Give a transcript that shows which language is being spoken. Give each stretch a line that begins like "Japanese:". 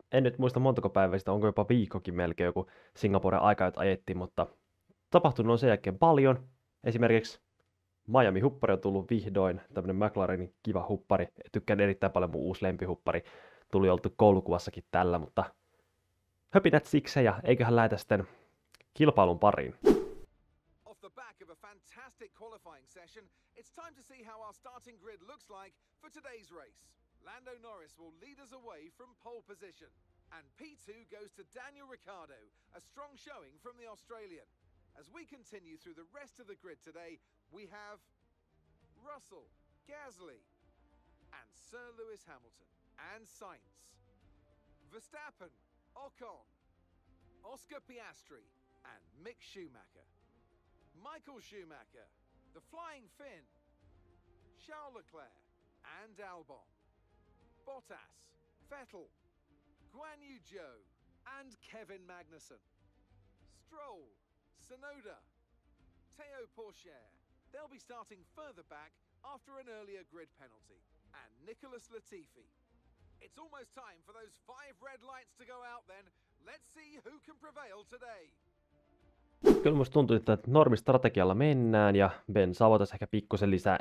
Finnish: en nyt muista montako päivää sitä, onko jopa viikkokin melkein joku Singaporen aika, jota ajettiin, mutta tapahtunut on sen jälkeen paljon. Esimerkiksi Miami-huppari on tullut vihdoin, tämmönen McLarenin kiva huppari. Tykkään erittäin paljon mun uusi lempihuppari. Tuli oltu koulukuvassakin tällä, mutta höpinät siksi ja eiköhän lähdetä sitten kilpailun pariin.
English: Fantastic qualifying session. It's time to see how our starting grid looks like for today's race. Lando Norris will lead us away from pole position, and P2 goes to Daniel Ricciardo, a strong showing from the Australian. As we continue through the rest of the grid today, we have Russell, Gasly, and Sir Lewis Hamilton, and Sainz, Verstappen, Ocon, Oscar Piastri, and Mick Schumacher. Michael Schumacher, The Flying Finn, Charles Leclerc and Albon, Bottas, Vettel, Guan Yu Zhou and Kevin Magnussen, Stroll, Tsunoda, Teo Pourchaire. They'll be starting further back after an earlier grid penalty, and Nicholas Latifi. It's almost time for those five red lights to go out then. Let's see who can prevail today.
Finnish: Kyllä musta tuntuu, että normistrategialla mennään ja bensaa voitaisiin ehkä pikkusen lisää.